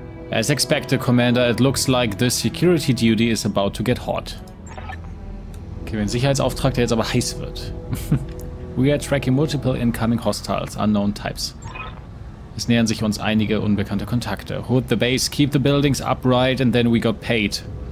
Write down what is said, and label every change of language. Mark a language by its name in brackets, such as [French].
[English] As expected, Commander, it looks like the security duty is about to get hot. [German] Okay, ein Sicherheitsauftrag, der jetzt aber heiß wird. [English] We are tracking multiple incoming hostiles, unknown types. [German] Es nähern sich uns einige unbekannte Kontakte. [English] Hold the base, keep the buildings upright and then we got paid.